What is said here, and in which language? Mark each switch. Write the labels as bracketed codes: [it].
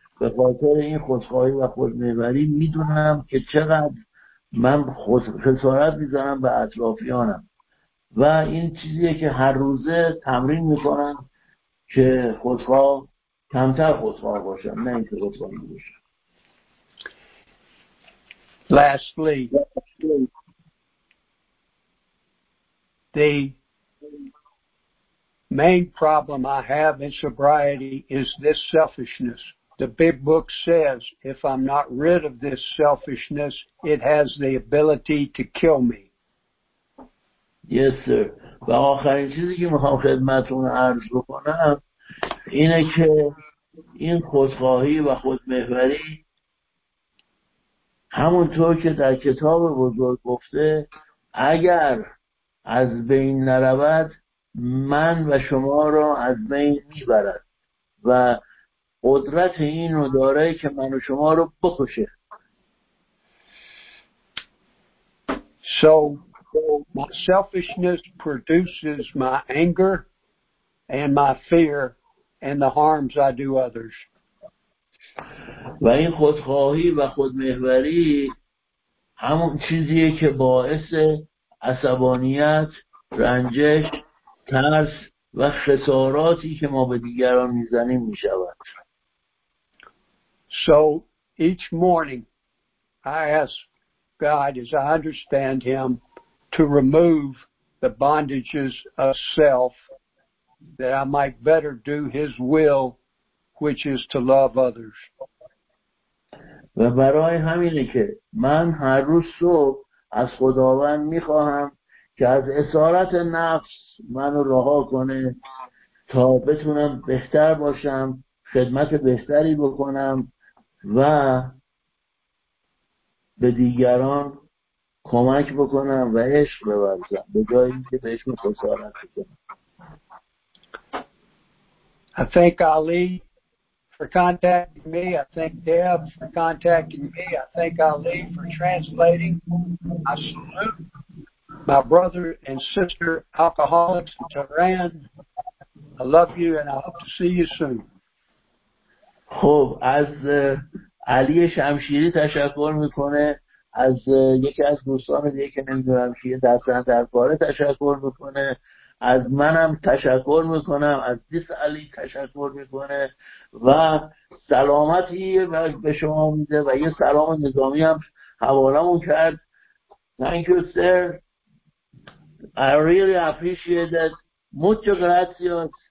[fa] به خاطر این خودخواهی و خودمحوری میدونم که چقدر من خسارت میزنم به اطرافیانم و این چیزیه که هر روزه تمرین میکنم که خودخواه کمتر خودخواه باشم، نه اینکه خودخواه باشم. [en] Lastly, the main problem I have in sobriety is this selfishness. The big book says if I'm not rid of this selfishness, it has the ability to kill me. Yes, sir. [fa] و آخرین چیزی که میخوام خدمتتون عرض بکنم اینه که این خودخواهی و خودمحوری همونطور که در کتاب بزرگ گفته اگر از بین نرود من و شما را از بین میبرد و قدرت این رو داره که من و شما رو بکشه. [en] So my selfishness produces my anger and my fear and the harms I do others. [fa] و این خودخواهی و خودمحوری همون چیزیه که باعث عصبانیت، رنجش، ترس و خساراتی که ما به دیگران میزنیم میشود. [en] So each morning I ask God, as I understand him, to remove the bondages of self that I might better do his will, which is to love others. [fa] و برای همینه که من هر روز صبح از خداوند میخواهم که از اسارت نفس منو رها کنه تا بتونم بهتر باشم، خدمت بهتری بکنم و به دیگران کمک بکنم و عشق ببرزم به جای اینکه بهشون خسارت بکنم. [en] I thank Ali for contacting me. I thank Deb for contacting me. I thank Ali for translating. I salute my brother and sister alcoholics in Tehran. I love you and I hope to see you soon. [fa] خب از علی شمشیری تشکر میکنه، از یکی از دوستان دیگه که نمیدونم کیه دستن در باره تشکر میکنه، از منم تشکر میکنم، از دیس علی تشکر میکنه و سلامتی به شما میده و یه سلام نظامی هم حوالمون کرد. [en] Thank you sir, I really appreciate that. [es] Mucho gracias.